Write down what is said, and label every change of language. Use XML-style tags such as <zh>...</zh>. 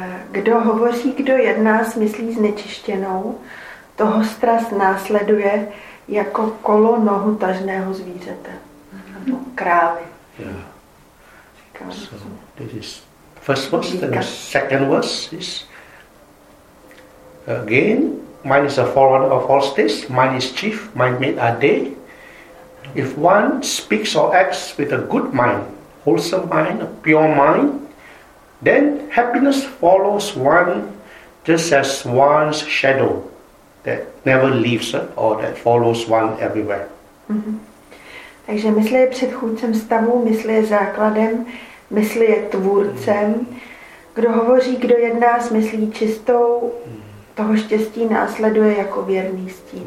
<cs>Kdo hovoří, kdo jedná s myslí znečištěnou, toho strast následuje jako kolo nohu tažného zvířete. Nebo krávy.</cs> <en>Yeah. So, this is first verse, then the second verse is again, mine is a forerunner of all states, mine is chief, mine made a day. If one speaks or acts with a good mind, wholesome mind, a pure mind, then happiness follows one just as one's shadow that never leaves or that follows one everywhere. Mm-hmm.</en> <cs>Takže mysl je předchůdcem stavu, mysl je základem, mysl je tvůrcem. Kdo hovoří, kdo jedná s myslí čistou, toho štěstí následuje jako věrný stín.</cs>